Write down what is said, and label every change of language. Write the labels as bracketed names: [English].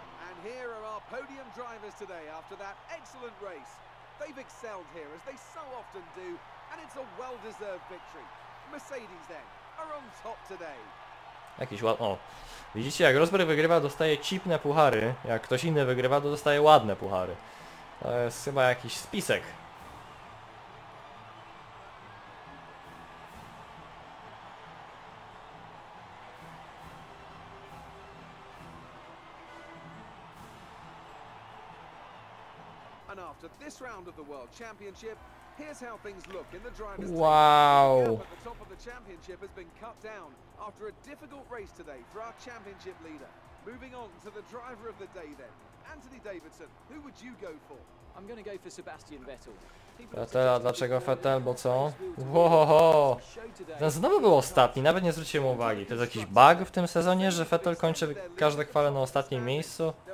[English] And here are our podium drivers today after that excellent race. They've excelled here as they so often do, and it's a well-deserved victory. Mercedes then are on top today. [Polish] Jakiś ładny. O, widzicie, jak Rosberg wygrywa, dostaje cipne puchary. Jak ktoś inny wygrywa, to dostaje ładne puchary. To jest chyba jakiś spisek. [English] After this round of the World Championship, here's how things look in the driver's table. Wow. The top of the championship has been cut down after a difficult race today for our championship leader. Moving on to the driver of the day then, Anthony Davidson. Who would you go for? I'm going to go for Sebastian Vettel. [Polish] Vettel, dlaczego Vettel, bo co? Whoa! To znowu był ostatni. Nawet nie zwróciłem uwagi. To jest jakiś bug w tym sezonie, że Vettel kończy każdą kwalę na ostatnim miejscu.